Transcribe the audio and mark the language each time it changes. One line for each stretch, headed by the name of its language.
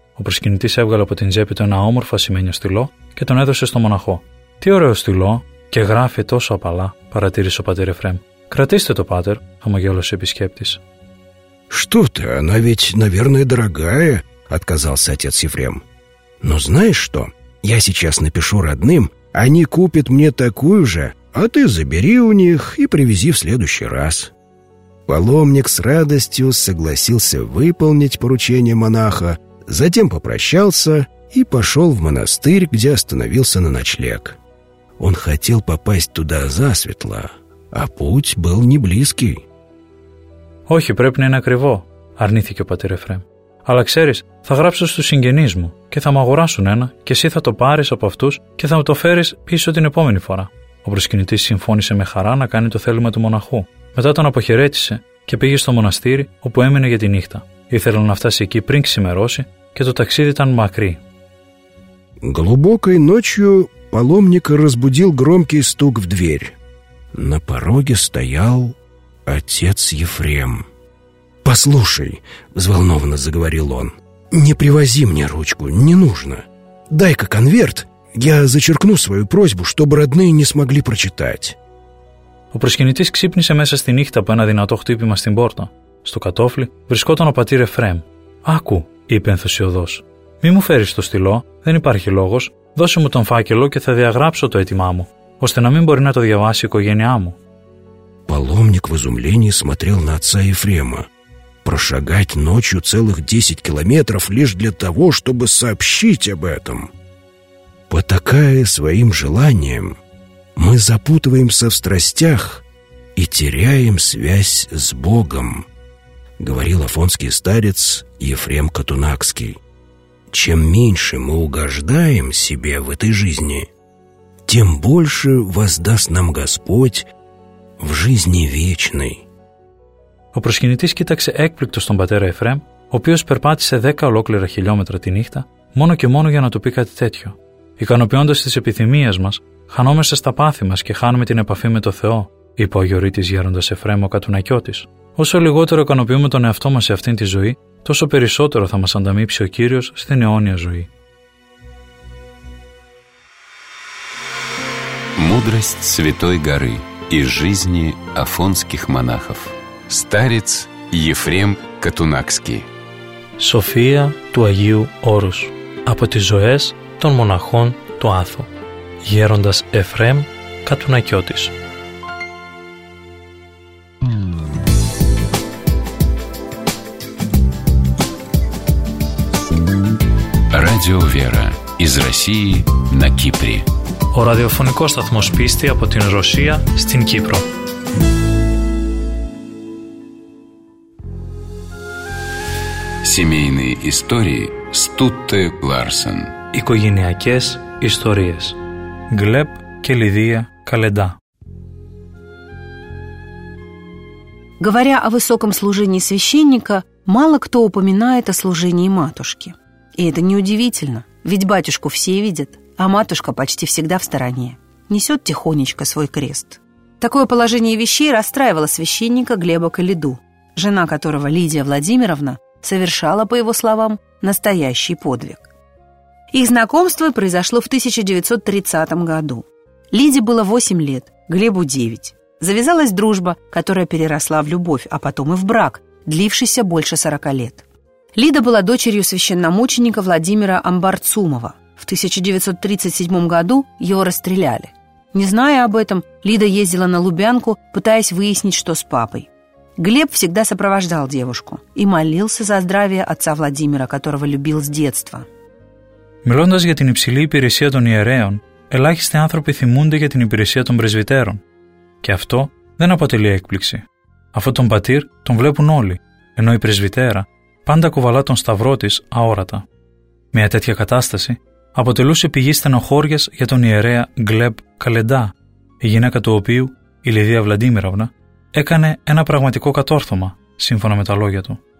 Greek: Ο προσκυνητής έβγαλε από την τσέπη του ένα όμορφο ασημένιο στυλό και τον έδωσε στο μοναχό. «Τι ωραίο στυλό! Και γράφει τόσο απαλά», παρατήρησε ο πατήρ Εφρέμ. «Κρατήστε το, πάτερ», χαμογέλωσε ο επισκέπτης.
Russian: «Что ты, она ведь, наверное, дорогая», отказался отец Ефрем. «Но знаешь что, я сейчас напишу родным, они купят мне такую же, а ты забери у них и привези в следующий раз». Паломник с радостью согласился выполнить поручение монаха, затем попрощался и пошел в монастырь, где остановился на ночлег. Он хотел попасть туда засветло, а путь был не близкий.
Greek: «Όχι, πρέπει να είναι ακριβό», αρνήθηκε ο πατήρ Εφρέμ. «Αλλά ξέρεις, θα γράψω στους συγγενείς μου και θα μου αγοράσουν ένα και εσύ θα το πάρεις από αυτούς και θα μου το φέρεις πίσω την επόμενη φορά». Ο προσκυνητής συμφώνησε με χαρά να κάνει το θέλημα του μοναχού. Μετά τον αποχαιρέτησε και πήγε στο μοναστήρι όπου έμεινε για τη νύχτα. Ήθελε να φτάσει εκεί πριν ξημερώσει και το ταξίδι ήταν μακρύ.
Russian: «Глубокой ночью паломника разбудил громкий стук в дверь. На пороге стоял отец Ефрем. «Послушай», — взволнованно заговорил он, — «не привози мне ручку, не нужно. Дай-ка конверт, я зачеркну свою просьбу, чтобы родные не смогли прочитать».
Greek: Ο προσκυνητής ξύπνησε μέσα στη νύχτα από ένα δυνατό χτύπημα στην πόρτα. Στο κατώφλι βρισκόταν ο πατήρ Εφρέμ. «Άκου», είπε ενθουσιωδώς. «Μη μου φέρεις το στυλό, δεν υπάρχει λόγος. Δώσε μου τον φάκελο και θα διαγράψω το αίτημά μου, ώστε να μην μπορεί να το διαβάσει η οικογένειά μου».
Russian: Паломник в изумлении смотрел на отца Ефрема. прошагать ночью целых 10 километров лишь для того, чтобы сообщить об этом. Потакая своим желанием, мы запутываемся в страстях и теряем связь с Богом, говорил афонский старец Ефрем Катунакский. Чем меньше мы угождаем себе в этой жизни, тем больше воздаст нам Господь в жизни вечной.
Greek: Ο προσκυνητής κοίταξε έκπληκτο τον πατέρα Εφραίμ, ο οποίος περπάτησε 10 ολόκληρα χιλιόμετρα τη νύχτα, μόνο και μόνο για να του πει κάτι τέτοιο. Ικανοποιώντας τις επιθυμίες μας, χανόμαστε στα πάθη μας και χάνουμε την επαφή με το Θεό, είπε ο γιορείτης γέροντας Εφραίμ ο Κατουνακιώτης. Όσο λιγότερο ικανοποιούμε τον εαυτό μας σε αυτήν τη ζωή, τόσο περισσότερο θα μας ανταμείψει ο Κύριος στην αιώνια ζωή.
Russian: Μούδραστ Σβητόι Γαρή, η ζήνη αφόνσκιχ μονάχαφ. Старец Ефрем Катунакский.
Greek: София του Αγίου Όρους. Από τις ζωές των μοναχών του Άθου. Γέροντας Εφραίμ Κατουνακιώτης.
Russian: Radio Vera из России на Кипре.
Greek: Ο ραδιοφωνικός σταθμός πίστη από την Ρωσία στην Κύπρο.
Russian: Семейные истории Стутте Ларсен.
Greek: Οικογενειακές ιστορίες.
Russian: Глеб και Лидия Каледа. Говоря о высоком служении священника, мало кто упоминает о служении матушки. И это неудивительно, ведь батюшку все видят, а матушка почти всегда в стороне. Несет тихонечко свой крест. Такое положение вещей расстраивало священника Глеба Каледу, жена которого Лидия Владимировна совершала, по его словам, настоящий подвиг. Их знакомство произошло в 1930 году. Лиде было 8 лет, Глебу 9. Завязалась дружба, которая переросла в любовь, а потом и в брак, длившийся больше 40 лет. Лида была дочерью священномученика Владимира Амбарцумова. В 1937 году его расстреляли. Не зная об этом, Лида ездила на Лубянку, пытаясь выяснить, что с папой. Глеб всегда сопровождал девушку и молился за здравие отца Владимира, которого любил с детства.
Greek: Μιλώντας για την υψηλή υπηρεσία των ιερέων, ελάχιστοι άνθρωποι θυμούνται για την υπηρεσία των πρεσβυτέρων. Και αυτό δεν αποτελεί έκπληξη. Αυτόν τον πατήρ τον βλέπουν όλοι, ενώ η πρεσβυτέρα πάντα κουβαλά τον σταυρό της αόρατα. Μια τέτοια κατάσταση αποτελούσε πηγή στενοχώριας για τον ιερέα Γκλεμπ Καλεντά, η γυναίκα του οποίου, η Λιδία Βλαντίμηροβνα, έκανε ένα πραγματικό κατόρθωμα, σύμφωνα με τα λόγια του.